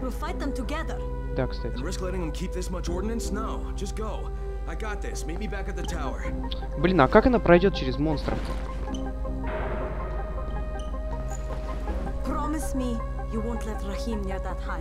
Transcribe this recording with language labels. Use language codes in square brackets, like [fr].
[en] We'll fight them together. [ru] Да, кстати. [en] And risk letting them keep this much ordnance? No, just go. I got this. Meet me back at the tower. [ru] Блин, а как она пройдет через монстров? [en] Promise me you won't let Rahim near that hive.